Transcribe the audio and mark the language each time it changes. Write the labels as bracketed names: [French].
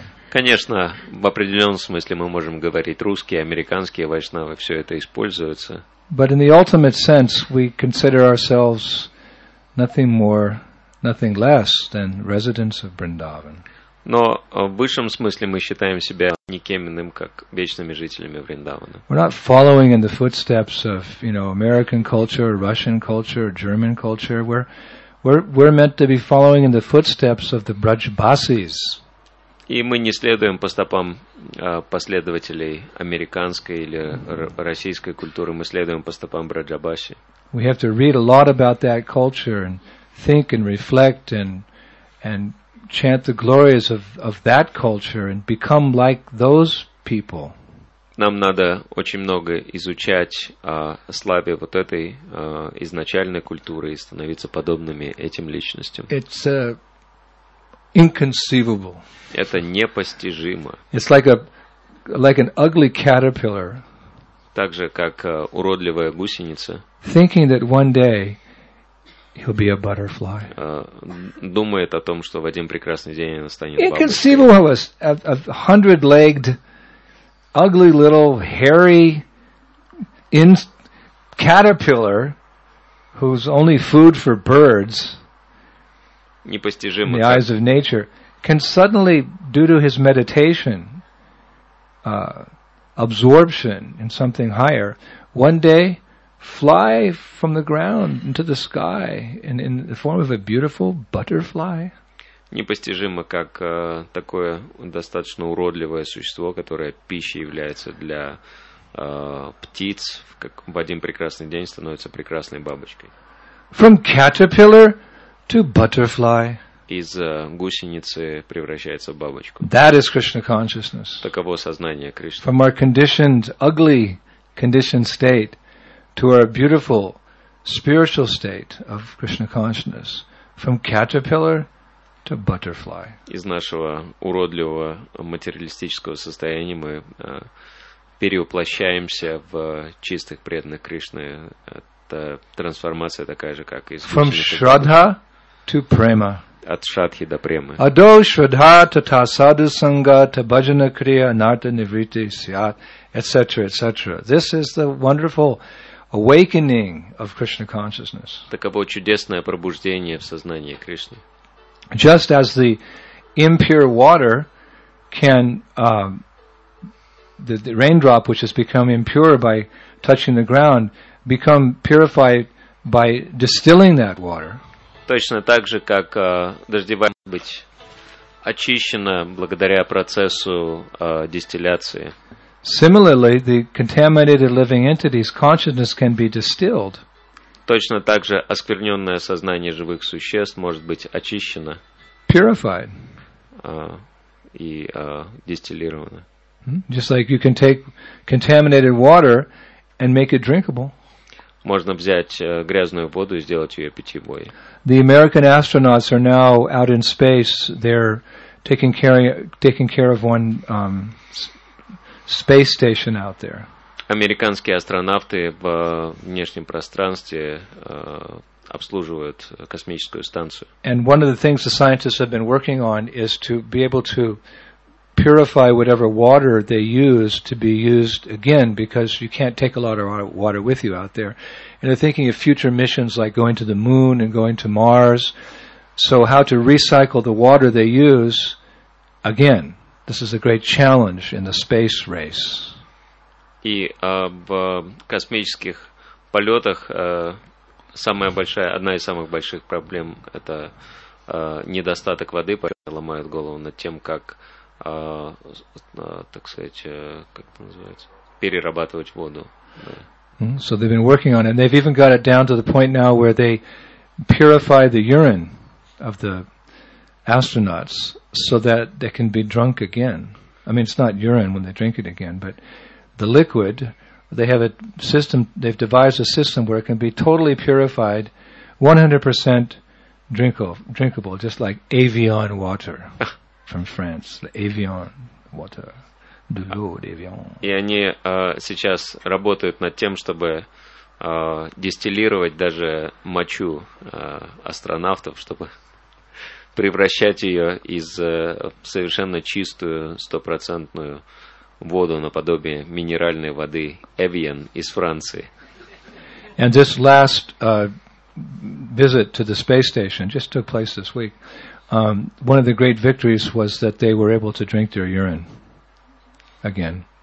[Russian] Конечно, в определенном смысле мы можем говорить русские, американские вайшнавы, все это используется. [English] But in the ultimate sense, we consider ourselves nothing more, nothing less than residents of Vrindavan. [Russian] Но в высшем смысле мы считаем себя никем иным, как вечными жителями Вриндавана. [English] We're not following in the footsteps of, you know, American culture, Russian culture, German culture. We're meant to be following in the footsteps of the Brajbasis. [Russian] И мы не следуем по стопам последователей американской или российской культуры, мы следуем по стопам Браджабаси. [English] We have to read a lot about that culture and think and reflect and chant the glories of that culture and become like those people. [Russian] Нам надо очень много изучать о славе вот этой изначальной культуры и становиться подобными этим личностям. [English] It's inconceivable. [Russian] Это непостижимо. [English] It's like an ugly caterpillar. [Russian] Так же, как уродливая гусеница. [English] Thinking that one day he'll be a butterfly. [Russian] Думает о том, что в один прекрасный день он станет бабочкой. [English] Inconceivable, a hundred-legged, ugly little hairy caterpillar, who's only food for birds. [Russian] Непостижимо. [English] In the eyes of nature. Can suddenly, due to his meditation, absorption in something higher, one day fly from the ground into the sky in the form of a beautiful butterfly. [Russian] Непостижимо, как такое достаточно уродливое существо, которое пищей является для птиц, как в один прекрасный день становится прекрасной бабочкой. [English] From caterpillar to butterfly. [Russian] Из гусеницы превращается в бабочку. [English] That is Krishna consciousness. [Russian] Таково сознание Кришны. [English] From our conditioned, ugly conditioned state to our beautiful spiritual state of Krishna consciousness. From caterpillar to butterfly. [Russian] Из нашего уродливого материалистического состояния мы перевоплощаемся в чистых преданных Кришны. Это трансформация такая же, как из [English] From [Russian] гусеницы. [English] From Shraddha to Prema. [Russian] От шрадхи до премы. [Sanskrit] Адо шрадха тата саду санга та баджана крия нарта нивритти сиат, etc., etc. [English] This is the wonderful awakening of Krishna consciousness. [Russian] Таково чудесное пробуждение в сознании Кришны. [English] Just as the impure water can the raindrop which has become impure by touching the ground become purified by distilling that water. [Russian] Точно так же, как дождевая может быть очищена благодаря процессу дистилляции. [English] Similarly, the contaminated living entity's consciousness can be distilled. [Russian] Точно так же оскверненное сознание живых существ может быть очищено. [English] Purified. [Russian] Дистиллировано. [English] Just like you can take contaminated water and make it drinkable. [Russian] Можно взять грязную воду и сделать ее питьевой. [English] The American astronauts are now out in space. They're taking care of one space station out there. [Russian] Американские астронавты в внешнем пространстве обслуживают космическую станцию. [English] And one of the things the scientists have been working on is to be able to purify whatever water they use to be used again, because you can't take a lot of water with you out there. And they're thinking of future missions like going to the moon and going to Mars. So how to recycle the water they use again. This is a great challenge in the space race. [Russian] И в космических полетах самая большая, одна из самых больших проблем – это недостаток воды, поэтому ломают голову над тем, как, так сказать, как это называется, перерабатывать воду. [English] So they've been working on it, and they've even got it down to the point now where they purify the urine of the astronauts so that they can be drunk again. I mean, it's not urine when they drink it again, but the liquid, they have a system, they've devised a system where it can be totally purified, 100% drinkable, just like Evian water from France. Evian water. [French] De l'eau d'Evian. [Russian] И они сейчас работают над тем, чтобы дистиллировать даже мочу астронавтов, чтобы превращать ее из совершенно чистую, стопроцентную воду наподобие минеральной воды Evian из Франции. [English] And this last visit to the space station just took place this week. One of the great victories was that they were able to drink their urine again.